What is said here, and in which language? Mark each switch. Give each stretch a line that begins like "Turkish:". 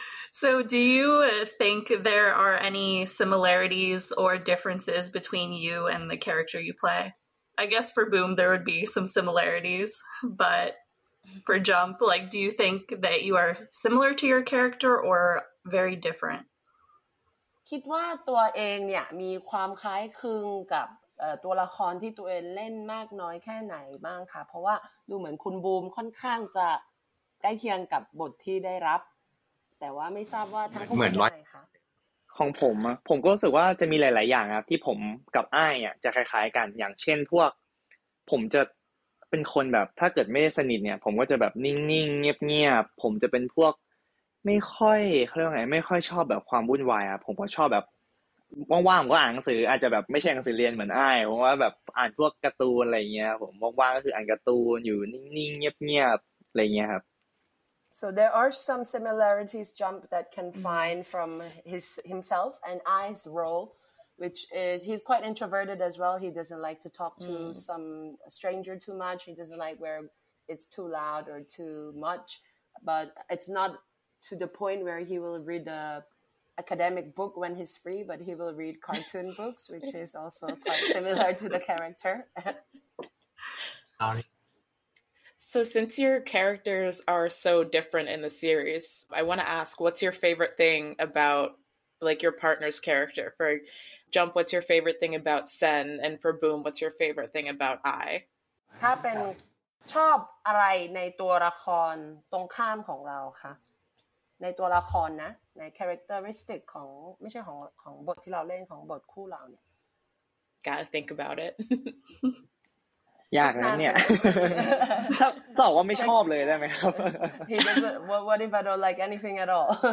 English: So do you think there are any similarities or differences between you and the character you play? I guess for Boom there would be some similarities, but for Jump, like, do you think that you are similar to your character or very different?
Thai: คิดว่าตัวเองเนี่ยมีความคล้ายคลึงกับตัวละครที่ตัวเองเล่นมากน้อยแค่ไหนบ้างคะเพราะว่าดูเหมือนคุณบูมค่อนข้างจะใกล้เคียงกับบทที่ได้รับแต่ว่าไม่ทราบว่าทั้งคู่เป็นยังไงคะ ของผมอ่ะผมก็รู้สึกว่าจะมีหลายๆอย่างครับที่ผมกับอ้ายอ่ะจะคล้ายๆกันอย่างเช่นพวกผมจะเป็นคนแบบถ้าเกิดไม่ได้สนิทเนี่ยผมก็จะแบบนิ่งๆเงียบๆผมจะเป็นพวกไม่ค่อยเรียกว่าไงไม่ค่อยชอบแบบความวุ่นวายอ่ะผมก็ชอบแบบว่างๆผมก็อ่านหนังสืออาจจะแบบไม่ใช่หนังสือเรียนเหมือนอ้ายผมว่าแบบอ่านพวกการ์ตูนอะไรเงี้ยผมว่างๆก็คืออ่านการ์ตูนอยู่นิ่งๆเงียบๆอะไรเงี้ยครับ
English: So there are some similarities Jump that can find from his himself and I's role which is he's quite introverted as well he doesn't like to talk to some stranger too much he doesn't like where it's too loud or too much but it's not to the point where he will read theacademic book when he's free but he will read cartoon books which is also quite similar to the character so since your characters are so different in the series I want to ask what's your favorite thing about like your partner's character for Jump what's your favorite thing about Sen and for Boom what's your favorite thing about I
Thai: ถ้าเป็นชอบอะไรในตัวละครตรงข้ามของเราค่ะในตัวละครนะใน characteristic ของไม่ใช่ของของบทที่เราเล่นของบทคู่เราเนี่ย
English: gotta think about it
Thai: ยากนะเนี่ยถ้าตอบว่าไม่ชอบเลยได้ไหมครับ
English: he doesn't what if I don't like anything at all